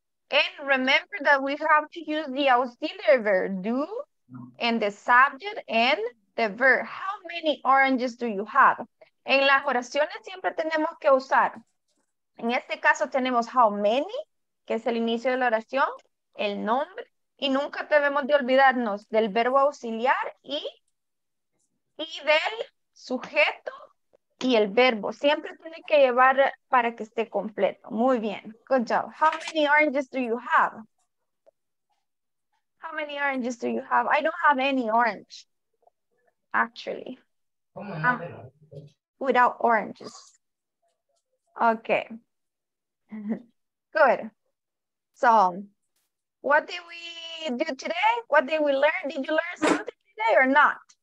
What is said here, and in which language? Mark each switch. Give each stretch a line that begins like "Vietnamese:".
English: And remember that we have to use the auxiliary verb do and the subject and the verb. How many oranges do you have?
Spanish: En las oraciones siempre tenemos que usar, en este caso tenemos how many, que es el inicio de la oración, el nombre, y nunca debemos de olvidarnos del verbo auxiliar y del sujeto y el verbo. Siempre tiene que llevar para que esté completo. Muy bien.
English: Good job. How many oranges do you have? How many oranges do you have? I don't have any orange, actually. Oh, my God. Without oranges. Okay. Good. So, what did we do today? What did we learn? Did you learn something today or not?